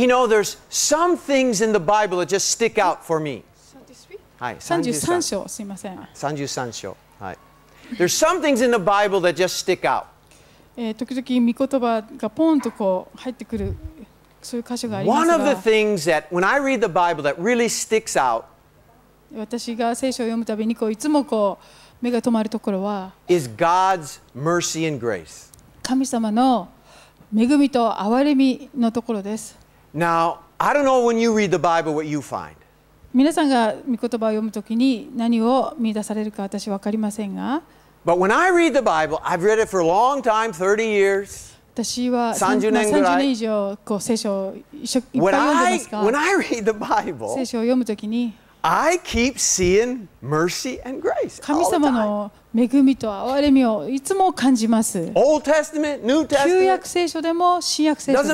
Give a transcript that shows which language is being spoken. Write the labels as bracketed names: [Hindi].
[English] You know, there's some things in the Bible that just stick out for me. [Japanese] 33章、すいません。 33章。はい。 [English] There's some things in the Bible that just stick out. [Japanese] 時々御言葉がポンとこう入ってくる、そういう箇所がありますが。 [English] One of the things that, when I read the Bible, that really sticks out. [Japanese] 私が聖書を読むたびにこういつもこう目が止まるところは。 [English] Is God's mercy and grace. [Japanese] 神様の恵みと憐れみのところです。 [English] Now, I don't know when you read the Bible what you find. [Japanese] 皆さんが御言葉を読むときに何を見出されるか私は分かりませんが。 [English] But when I read the Bible, I've read it for a long time, 30 years. [Japanese] 私は30年ぐらい。 30年以上こう聖書一緒いっぱい読んでますか。 [English] When I read the Bible, [Japanese] 聖書を読むときに、 [English] I keep seeing mercy and grace. [Japanese] 神様の恵みと憐れみをいつも感じます。 [English] Old Testament, New Testament. [Japanese] 旧約聖書でも新約聖書でも。